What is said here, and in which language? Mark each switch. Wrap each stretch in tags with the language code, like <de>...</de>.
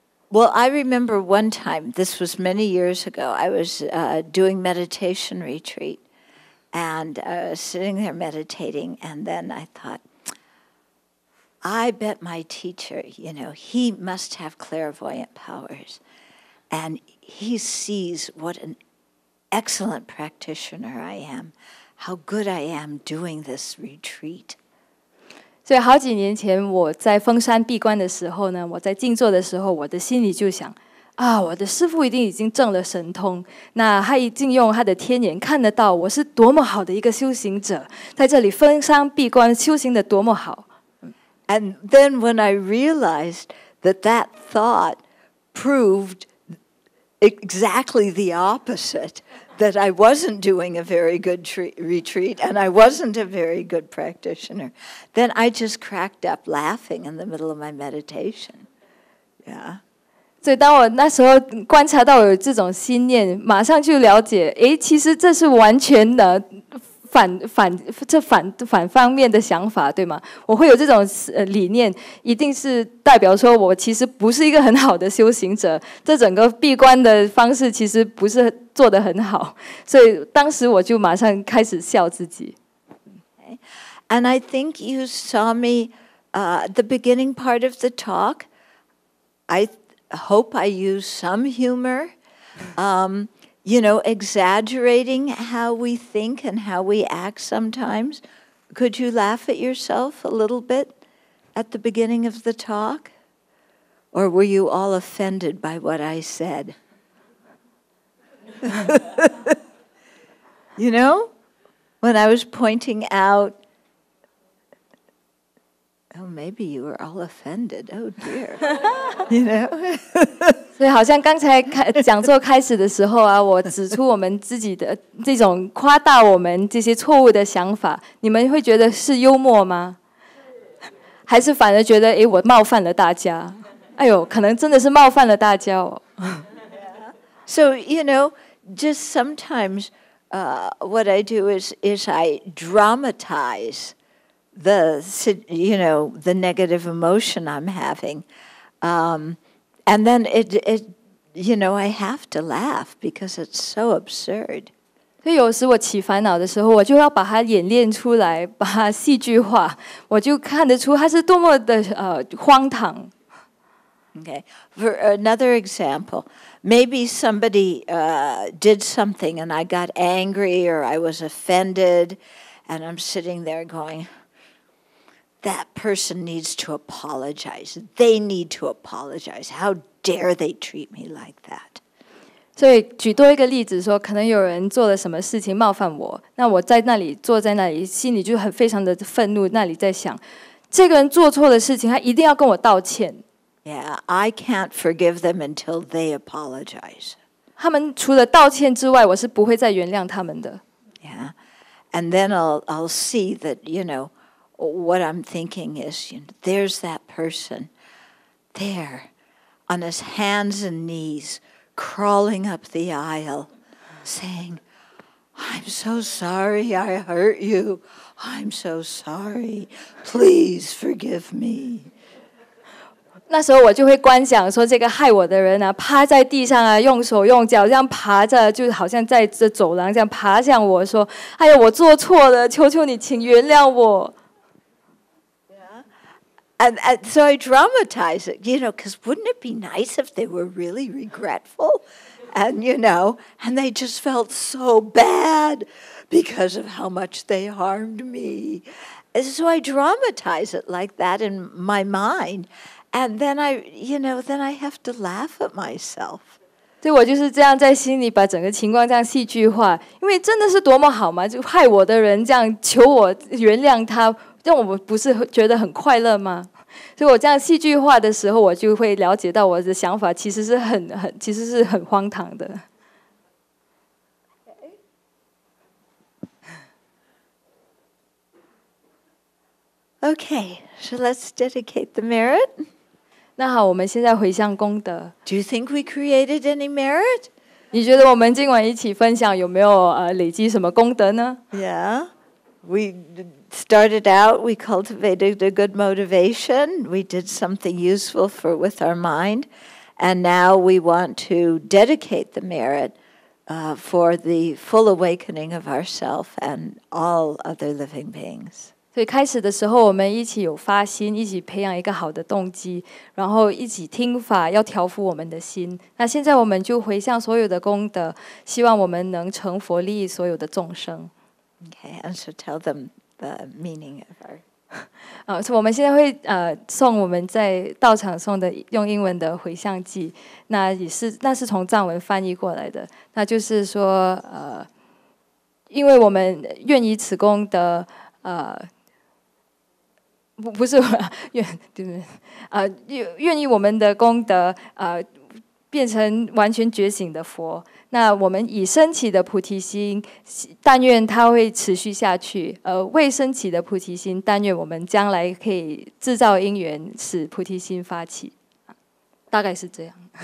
<en>Well, I remember one time, this was many years ago, I was doing meditation retreat, and I was sitting there meditating, and then I thought, I bet my teacher, you know, he must have clairvoyant powers, and he sees what an excellent practitioner I am. How good I am doing this retreat.</en> <zh>所以好几年前我在封山闭关的时候呢，我在静坐的时候，我的心里就想，啊，我的师父一定已经证了神通，那他一定用他的天眼看得到我是多么好的一个修行者，在这里封山闭关修行的多么好。</zh> <en>And then when I realized that that thought proved exactly the opposite, that I wasn't doing a very good retreat and I wasn't a very good practitioner, then I just cracked up laughing in the middle of my meditation. Yeah.</en> <zh>所以当我那时候观察到有这种心念，马上就了解，诶，其实这是完全的反方面的想法，对吗？我会有这种理念，一定是代表说我其实不是一个很好的修行者，这整个闭关的方式其实不是做得很好，所以当时我就马上开始笑自己。</zh> <en>Okay. And I think you saw me The beginning part of the talk, I hope I use some humor. You know, exaggerating how we think and how we act sometimes. Could you laugh at yourself a little bit at the beginning of the talk? Or were you all offended by what I said? You know, when I was pointing out, oh, maybe you were all offended. Oh, dear. You know?</en> <zh>所以好像刚才讲座开始的时候啊，我指出我们自己的这种夸大我们这些错误的想法，你们会觉得是幽默吗？还是反而觉得，诶，我冒犯了大家？哎呦，可能真的是冒犯了大家哦。</zh> <en>So, you know, just sometimes, what I do is I dramatize the, you know, the negative emotion I'm having. And then it, you know, I have to laugh because it's so absurd.</en> <zh>所以有时我起烦恼的时候，我就要把它演练出来，把它戏剧化，我就看得出它是多么的荒唐。</zh> <en>Okay, for another example, maybe somebody did something and I got angry or I was offended, and I'm sitting there going, that person needs to apologize. They need to apologize. How dare they treat me like that?</en> <zh>所以举多一个例子说，可能有人做了什么事情冒犯我，那我在那里坐在那里，心里就很非常的愤怒，那里在想，这个人做错的事情，他一定要跟我道歉。</zh> <en>Yeah, I can't forgive them until they apologize.</en> <zh>他们除了道歉之外，我是不会再原谅他们的。</zh> <en>Yeah, and then I'll see that, you know,what I'm thinking is, you know, there's that person there on his hands and knees crawling up the aisle saying, I'm so sorry I hurt you. I'm so sorry. Please forgive me.</en> <zh>那时候我就会观想说这个害我的人啊趴在地上啊用手用脚这样爬着就好像在这走廊这样爬向我说哎呀我做错了求求你请原谅我。</zh> <en>And so I dramatize it, you know, because wouldn't it be nice if they were really regretful? And, you know, and they just felt so bad because of how much they harmed me. And so I dramatize it like that in my mind. And then I have to laugh at myself.</en> <zh>所以我就是这样在心里把整个情况这样戏剧化，因为真的是多么好嘛！就害我的人这样求我原谅他，让我不是觉得很快乐吗？所以我这样戏剧化的时候，我就会了解到我的想法其实是很荒唐的。</zh> <en>Okay, so let's dedicate the merit.</en> <zh>那好，我们现在回向功德。</zh> <en>Do you think we created any merit?</en> <zh>你觉得我们今晚一起分享有没有累积什么功德呢</zh> <en>？Yeah, we started out. We cultivated a good motivation. We did something useful for with our mind, and now we want to dedicate the merit for the full awakening of ourself and all other living beings.</en> <zh>所以开始的时候我们一起有发心一起培养一个好的动机然后一起听法要调伏我们的心那现在我们就回向所有的功德希望我们能成佛利益所有的众生</zh> <en>Okay, and so tell them the meaning of our</en> <zh>所以我们现在会送我们在道场送的用英文的回向记那也是那是从藏文翻译过来的那就是说因为我们愿以此功德不是愿意我们的功德变成完全觉醒的佛那我们已升起的菩提心但愿它会持续下去未升起的菩提心但愿我们将来可以制造因缘使菩提心发起大概是这样</zh>